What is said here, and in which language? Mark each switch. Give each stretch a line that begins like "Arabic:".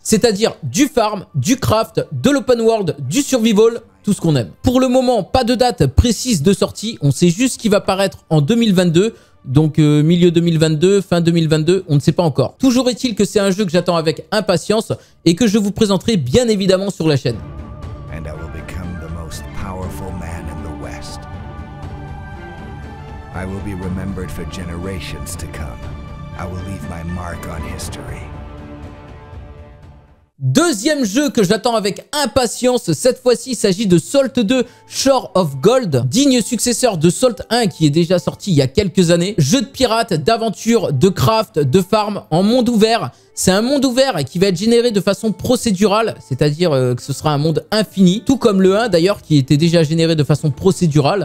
French: C'est-à-dire du farm, du craft, de l'open world, du survival, tout ce qu'on aime. Pour le moment, pas de date précise de sortie. On sait juste qu'il va paraître en 2022. Donc milieu 2022, fin 2022, on ne sait pas encore. Toujours est-il que c'est un jeu que j'attends avec impatience et que je vous présenterai bien évidemment sur la chaîne.
English: And I will become the most powerful man in the West. I will be remembered for generations to come. I will leave my mark on history.
French: Deuxième jeu que j'attends avec impatience, cette fois-ci, il s'agit de Salt 2 Shore of Gold, digne successeur de Salt 1 qui est déjà sorti il y a quelques années. Jeu de pirate, d'aventure, de craft, de farm en monde ouvert. C'est un monde ouvert qui va être généré de façon procédurale, c'est-à-dire que ce sera un monde infini, tout comme le 1 d'ailleurs qui était déjà généré de façon procédurale.